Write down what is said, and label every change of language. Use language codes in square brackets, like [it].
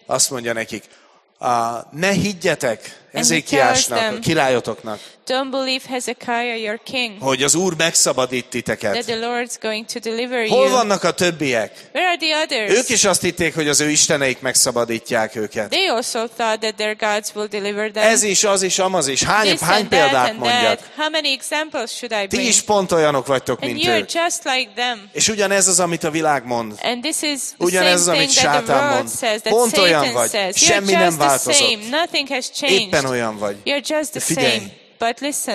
[hu] Azt mondja nekik, ne higgyetek Ezékiásnak, a királyotoknak. [en] Don't believe Hezekiah, your king. [hu] Hogy az Úr megszabadít titeket. [en] That the Lord's going to deliver you. [hu] Hol vannak a többiek? [en] Where are the others? [hu] Ők is azt hitték, hogy az ő isteneik megszabadítják őket. [en] They also thought that their gods will deliver them. [hu] Ez is, az is, amaz is. Hány példát mondjak? [en] How many examples should I bring? [hu] Ti is pont olyanok vagytok, mint ők. [en] You're just like them. [hu] És ugyanez az, amit a világ mond. [en] And this is [hu] ugyanez az, amit Sátán mond. Pont olyan vagy. Semmi nem változott. [en] Same. Nothing has changed. [hu] Éppen olyan vagy. [en] You're just the same. But listen,